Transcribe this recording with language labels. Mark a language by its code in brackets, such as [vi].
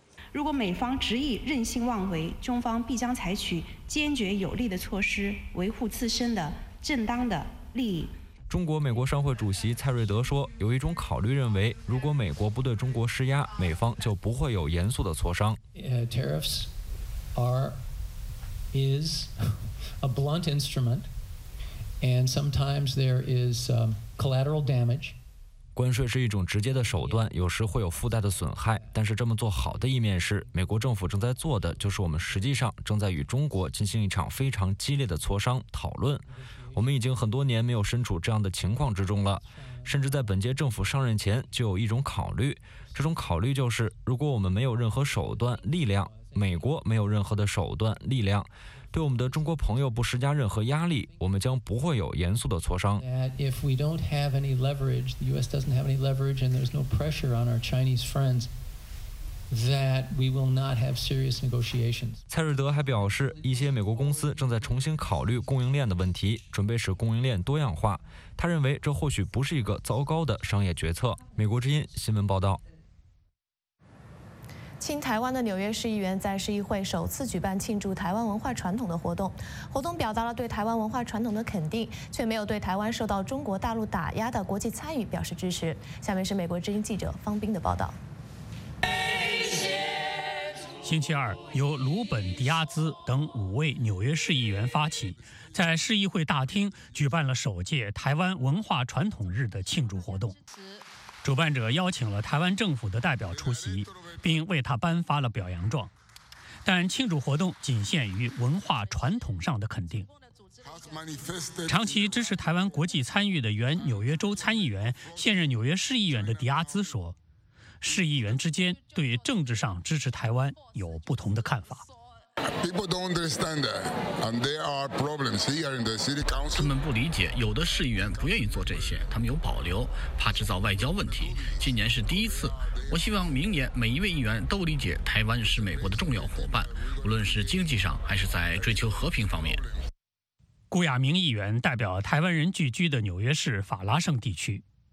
[zh] 如果美方执意任性妄为，中方必将采取坚决有力的措施维护自身的正当的利益。中国美国商会主席蔡瑞德说，有一种考虑认为，如果美国不对中国施压，美方就不会有严肃的磋商。 [en] Tariffs is a blunt instrument, and sometimes there is collateral damage. [zh] 关税是一种直接的手段，有时会有附带的损害，但是这么做好的一面是，美国政府正在做的就是我们实际上正在与中国进行一场非常激烈的磋商讨论。我们已经很多年没有身处这样的情况之中了，甚至在本届政府上任前就有一种考虑，这种考虑就是，如果我们没有任何手段力量，美国没有任何的手段力量对我们的中国朋友不施加任何压力，我们将不会有严肃的磋商。 [en] If we don't have any leverage, the U.S. doesn't have any leverage, and there's no pressure on our Chinese friends, that we will not have serious negotiations. [zh] 蔡瑞德还表示，一些美国公司正在重新考虑供应链的问题，准备使供应链多样化。他认为这或许不是一个糟糕的商业决策。美国之音新闻报道。亲台湾的纽约市议员在市议会首次举办庆祝台湾文化传统的活动，活动表达了对台湾文化传统的肯定，却没有对台湾受到中国大陆打压的国际参与表示支持。下面是美国之音记者方冰的报道。星期二，由卢本·迪亚兹等五位纽约市议员发起，在市议会大厅举办了首届台湾文化传统日的庆祝活动。主办者邀请了台湾政府的代表出席，并为他颁发了表扬状，但庆祝活动仅限于文化传统上的肯定。长期支持台湾国际参与的原纽约州参议员、现任纽约市议员的迪亚兹说，市议员之间对政治上支持台湾有不同的看法。 [en] People don't understand that, and there are problems here in the city council. [zh] 他们不理解，有的市议员不愿意做这些，他们有保留，怕制造外交问题。今年是第一次，我希望明年每一位议员都理解，台湾是美国的重要伙伴，无论是经济上还是在追求和平方面。顾亚明议员代表台湾人聚居的纽约市法拉盛地区。